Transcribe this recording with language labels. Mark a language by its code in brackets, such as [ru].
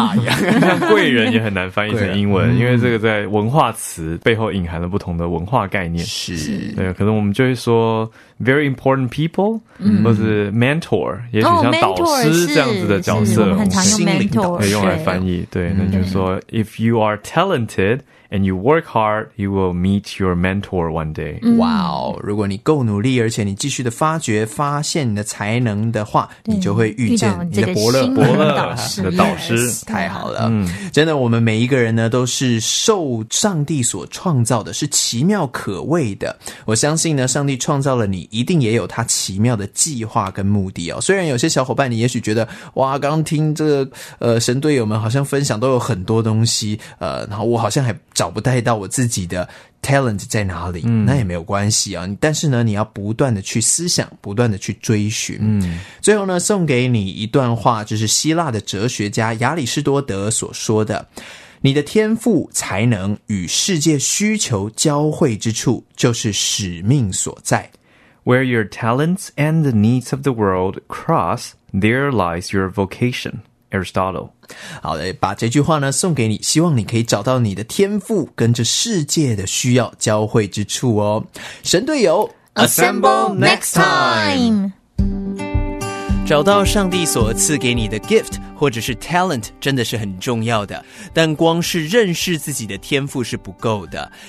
[zh] 像贵人也很难翻译成英文、嗯、因为这个在文化词背后隐含了不同的文化概念，是，对，可能我们就会说 [en] very important people、嗯、 [zh] 或是 mentor， 也许像导师这样子的角色、哦、我们很常用 mentor 可以用来翻译。对，对，那就是说 [en] if you are talented and you work hard you will meet your mentor one day、嗯、 [zh] wow， 如果你够努力而且你继续的发掘发现你的才能的话，你就会遇见你的伯乐，伯乐的导师。太好了、嗯、真的我们每一个人呢都是受上帝所创造的，是奇妙可畏的。我相信呢上帝创造了你一定也有他奇妙的计划跟目的哦。虽然有些小伙伴你也许觉得哇，刚刚听这个神队友们好像分享都有很多东西然后我好像还找不带到我自己的talent 在哪里、嗯、那也没有关系啊，但是呢你要不断的去思想，不断的去追寻、嗯、最后呢送给你一段话，就是希腊的哲学家亚里士多德所说的，你的天赋才能与世界需求交汇之处就是使命所在。 [en] Where your talents and the needs of the world cross, there lies your vocation. Aristotle。 [zh] 好的，把这句话呢送给你，希望你可以找到你的天赋跟这世界的需要交汇之处哦。神队友 [en] Assemble next time， [zh] 找到上帝所赐给你的 gift 或者是 talent 真的是很重要的，但光是认识自己的天赋是不够的。